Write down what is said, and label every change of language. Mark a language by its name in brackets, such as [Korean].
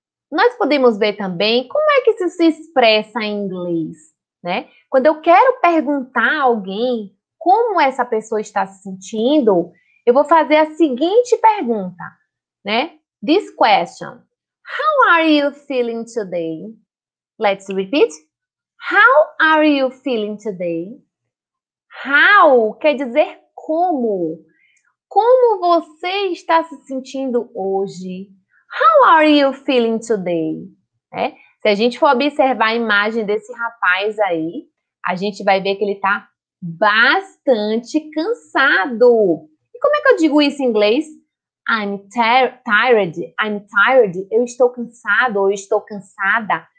[Portuguese] Nós podemos ver também como é que isso se expressa em inglês, né? Quando eu quero perguntar a alguém como essa pessoa está se sentindo, eu vou fazer a seguinte pergunta, né? [English] This question. How are you feeling today? Let's repeat. How are you feeling today? [Portuguese] How quer dizer como. Como você está se sentindo hoje? [English] How are you feeling today? [Portuguese] É. Se a gente for observar a imagem desse rapaz aí, a gente vai ver que ele tá bastante cansado. E como é que eu digo isso em inglês? [English] I'm tired, [Portuguese] eu estou cansado ou estou cansada.